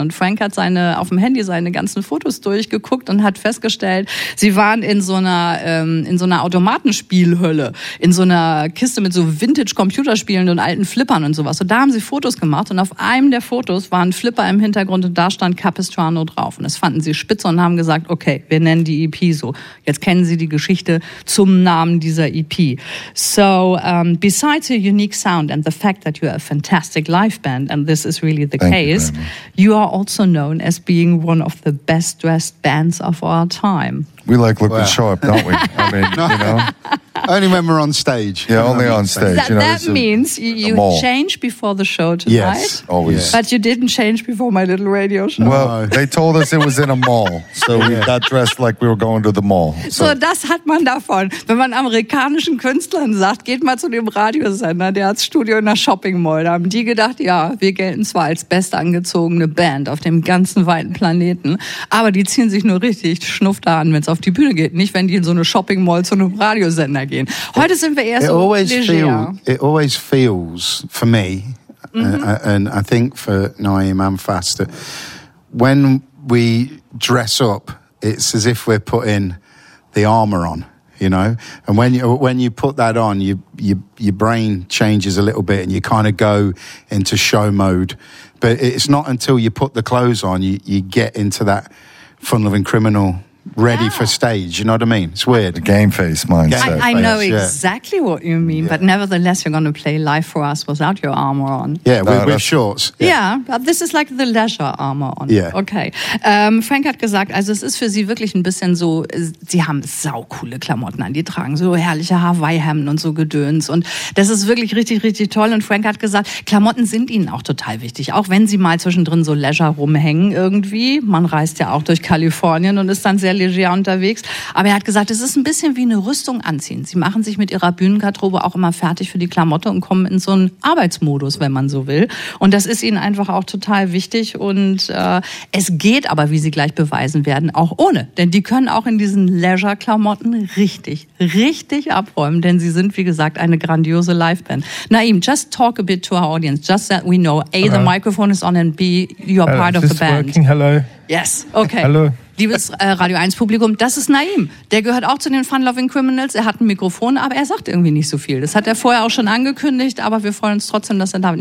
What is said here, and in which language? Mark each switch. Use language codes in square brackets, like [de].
[de] Und Frank hat auf dem Handy seine ganzen Fotos durchgeguckt und hat festgestellt, sie waren in so einer Automatenspielhölle, in so einer Kiste mit so Vintage-Computerspielen und alten Flippern und sowas. Und da haben sie Fotos gemacht und auf einem der Fotos waren Flipper im Hintergrund und da stand Capistrano drauf. Und das fanden sie spitze und haben gesagt, okay, wir nennen die EP so. Jetzt kennen sie die Geschichte zum Namen dieser EP. [en] So, besides your unique sound and the fact that you are a fantastic live band, and this is really the case, you are also known as being one of the best dressed bands of our time. We like looking sharp, don't we? I mean, you know. Only when we're on stage. Yeah, only on stage. That, means you change before the show tonight. Yes, always. But you didn't change before my little radio show. Well, they told us it was in a mall. So we got dressed like we were going to the mall. [de] So das hat man davon. Wenn man amerikanischen Künstlern sagt, geht mal zu dem Radiosender, der hat das Studio in der Shopping Mall. Da haben die gedacht, ja, wir gelten zwar als best angezogene Band auf dem ganzen weiten Planeten, aber die ziehen sich nur richtig Schnuff da an, wenn es auf die Bühne geht. Nicht, wenn die in so eine Shopping Mall zu einem Radiosender gehen. Heute sind wir eher [en] It always feels for me, and I think for Naim and Fast, that when we dress up, it's as if we're putting the armor on. you know. And when you put that on, your brain changes a little bit and you kind of go into show mode. But it's not until you put the clothes on, you get into that fun-loving criminal ready for stage. You know what I mean? It's weird. The game face mindset. I know exactly what you mean, but nevertheless, you're going to play live for us without your armor on. Yeah, with shorts. Yeah, but this is like the leisure armor on. Yeah. Okay. [de] Frank hat gesagt, also es ist für sie wirklich ein bisschen so, sie haben saucoole Klamotten an, die tragen so herrliche Hawaii-Hemden und so Gedöns und das ist wirklich richtig, richtig toll und Frank hat gesagt, Klamotten sind ihnen auch total wichtig, auch wenn sie mal zwischendrin so leisure rumhängen irgendwie. Man reist ja auch durch Kalifornien und ist dann sehr leger unterwegs. Aber er hat gesagt, es ist ein bisschen wie eine Rüstung anziehen. Sie machen sich mit ihrer Bühnengarderobe auch immer fertig für die Klamotte und kommen in so einen Arbeitsmodus, wenn man so will. Und das ist ihnen einfach auch total wichtig. Und es geht aber, wie sie gleich beweisen werden, auch ohne. Denn die können auch in diesen Leisure-Klamotten richtig, richtig abräumen. Denn sie sind, wie gesagt, eine grandiose Liveband. [en] Naeem, just talk a bit to our audience, just that we know. A, the microphone is on and B, you're part of the band. Is this working? Hello. Yes, okay. Hello. [de] Liebes Radio 1 Publikum, das ist Naeem. Der gehört auch zu den Fun-Loving Criminals. Er hat ein Mikrofon, aber er sagt irgendwie nicht so viel. Das hat er vorher auch schon angekündigt, aber wir freuen uns trotzdem, dass er da ist.